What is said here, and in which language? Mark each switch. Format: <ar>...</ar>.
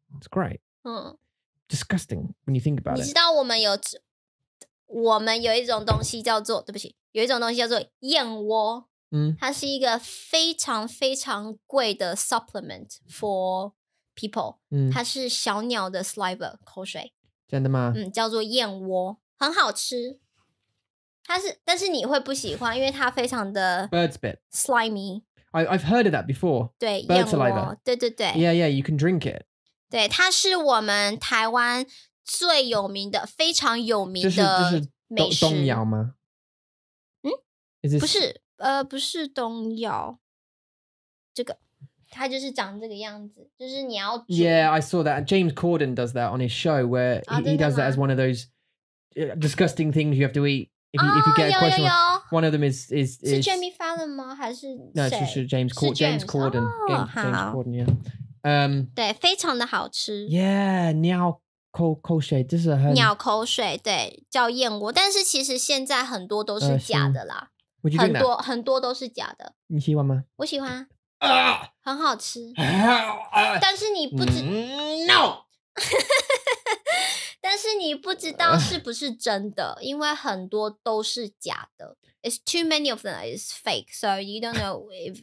<en>，it's great， disgusting when you think about it。</en> <zh>你知道我们有一种东西叫做，对不起。有一种东西叫做燕窝，它是一个非常非常贵的</zh> <en>supplement for people，</en> <zh>它是小鸟的 saliva 口水，真的吗？叫做燕窝，很好吃，但是你会不喜欢，因为它非常的</zh> <en>bird spit slimy。 I've heard of that before.</en> <zh>对</zh> <en>，bird saliva.</en> <zh>对对对。</zh> <en>Yeah, yeah. You can drink it.</en> <zh>对，它是我们台湾最有名的、非常有名的美食。冬瑶吗？不是，不是冬药，这个，它就是长这个样子，就是你要煮。</zh> <en>Yeah, I saw that. James Corden does that on his show where he does that as one of those disgusting things you have to eat if you get a question. One of them is</en> <zh>是 Jimmy Fallon 吗？还是谁？</zh> <en>No, 是 James Corden. James Corden. James Corden. Yeah.</en> <zh>对，非常的好吃。 Yeah, 鸟口水，这是很鸟口水，对，叫燕窝，但是其实现在很多都是假的啦。很多都是假的。你喜欢吗？我喜欢，很好吃。但是你不知</zh> <en>no，</en> <zh>但是你不知道是不是真的，因为很多都是假的。</zh> <en>It's too many of them is fake, so you don't know if.</en>